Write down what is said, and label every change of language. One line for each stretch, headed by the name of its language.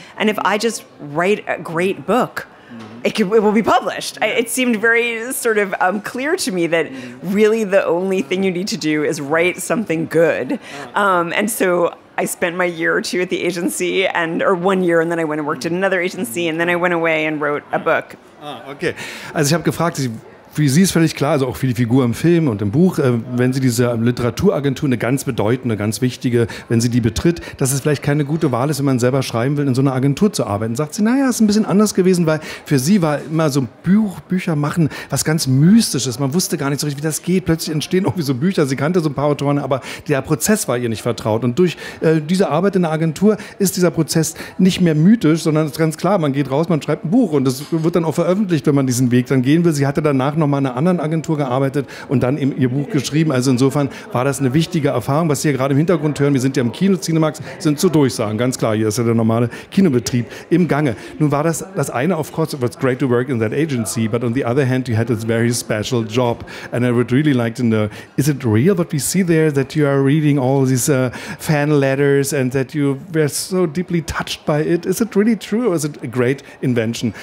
English: And if I just write a great book, it will be published. It seemed very sort of clear to me that really the only thing you need to do is write something good. And so I spent my year or two at the agency, or 1 year, and then I went and worked at another agency, and then I went away and wrote a book. Okay.
German: Also ich habe gefragt, für Sie ist völlig klar, also auch für die Figur im Film und im Buch, wenn sie diese Literaturagentur, eine ganz bedeutende, ganz wichtige, wenn sie die betritt, dass es vielleicht keine gute Wahl ist, wenn man selber schreiben will, in so einer Agentur zu arbeiten. Sagt sie, naja, ist ein bisschen anders gewesen, weil für sie war immer so Bücher machen was ganz Mystisches. Man wusste gar nicht so richtig, wie das geht. Plötzlich entstehen irgendwie so Bücher. Sie kannte so ein paar Autoren, aber der Prozess war ihr nicht vertraut. Und durch diese Arbeit in der Agentur ist dieser Prozess nicht mehr mythisch, sondern ist ganz klar. Man geht raus, man schreibt ein Buch und das wird dann auch veröffentlicht, wenn man diesen Weg dann gehen will. Sie hatte danach noch mal in einer anderen Agentur gearbeitet und dann eben ihr Buch geschrieben. Also insofern war das eine wichtige Erfahrung. Was Sie hier gerade im Hintergrund hören, wir sind ja im Kino, Cinemax, sind zu Durchsagen. Ganz klar, hier ist ja der normale Kinobetrieb im Gange. Nun war das eine,
English: of course, it was great to work in that agency, but on the other hand, you had this very special job. And I would really like to know, is it real what we see there, that you are reading all these fan letters and that you were so deeply touched by it? Is it really true or is it a great invention?